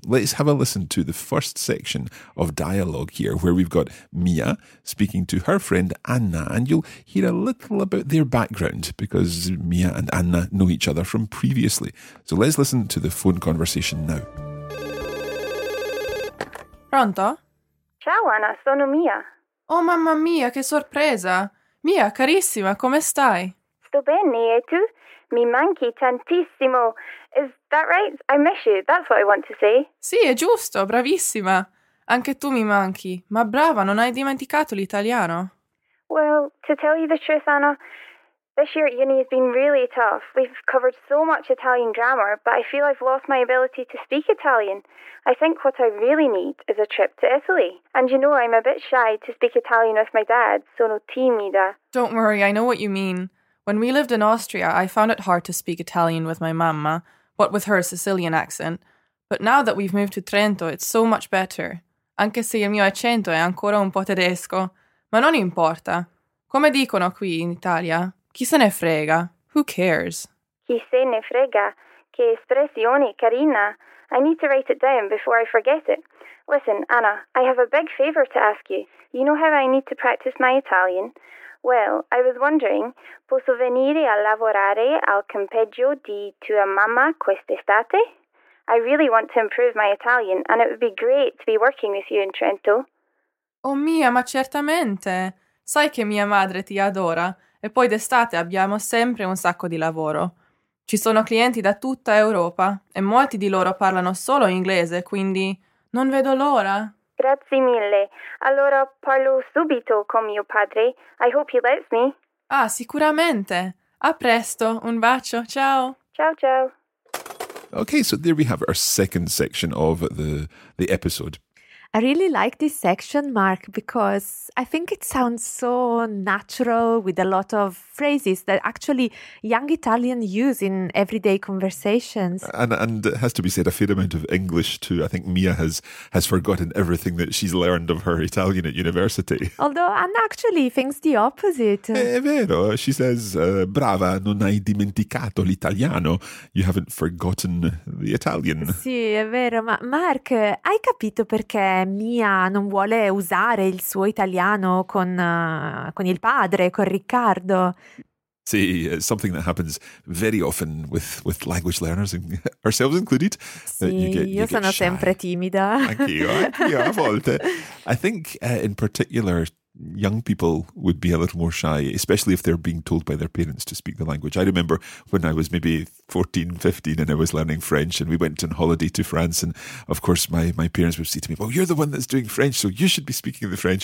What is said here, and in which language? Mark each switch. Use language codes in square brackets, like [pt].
[en] Let's have a listen to the first section of dialogue here, where we've got Mia speaking to her friend Anna, and you'll hear a little about their background, because Mia and Anna know each other from previously. So let's listen to the phone conversation now. [it] Pronto? Ciao Anna, sono Mia. Oh mamma mia, che sorpresa! Mia, carissima, come stai? Sto bene, e tu? Mi manchi tantissimo. [en] Is that right? I miss you, that's what I want to say. [it] Sì, è giusto, bravissima. Anche tu mi manchi. Ma brava, non hai dimenticato l'italiano? [en] Well, to tell you the truth, Anna, this year at uni has been really tough. We've covered so much Italian grammar, but I feel I've lost my ability to speak Italian. I think what I really need is a trip to Italy. And you know, I'm a bit shy to speak Italian with my dad, [it] sono timida. [en] Don't worry, I know what you mean. When we lived in Austria, I found it hard to speak Italian with my mamma, what with her Sicilian accent. But now that we've moved to Trento, it's so much better. [it] anche se il mio accento è ancora un po' tedesco. Ma non importa. Come dicono qui in Italia, chi se ne frega? [en] Who cares? [it] Chi se ne frega? Che espressione carina. [en] I need to write it down before I forget it. Listen, Anna, I have a big favor to ask you. You know how I need to practice my Italian? Well, I was wondering, [it] posso venire a lavorare al campeggio di tua mamma quest'estate? [en] I really want to improve my Italian, and it would be great to be working with you in Trento. [it] Oh mia, ma certamente! Sai che mia madre ti adora, e poi d'estate abbiamo sempre un sacco di lavoro. Ci sono clienti da tutta Europa, e molti di loro parlano solo inglese, quindi non vedo l'ora. Grazie mille. Allora parlo subito con mio padre. I hope he lets me. Ah, sicuramente. A presto. Un bacio. Ciao. Ciao, ciao. [en] Okay, so there we have our second section of the episode. I really like this section, Mark, because I think it sounds so natural with a lot of phrases that actually young Italians use in everyday conversations. And it has to be said, a fair amount of English too. I think Mia has forgotten everything that she's learned of her Italian at university. Although Anna actually thinks the opposite. [it] È vero. [en] She says, [it] brava, non hai dimenticato l'italiano. [en] You haven't forgotten the Italian. [it] Sì, è vero. Ma Mark, hai capito perché Mia non vuole usare il suo italiano con il padre, con Riccardo? [en] Sì, it's something that happens very often with language learners, ourselves included. [it] Sì, io sono sempre timida. Anch'io, a volte. [en] I think in particular young people would be a little more shy, especially if they're being told by their parents to speak the language. I remember when I was maybe 14, 15 and I was learning French and we went on holiday to France, and of course my parents would say to me, well, you're the one that's doing French, so you should be speaking the French.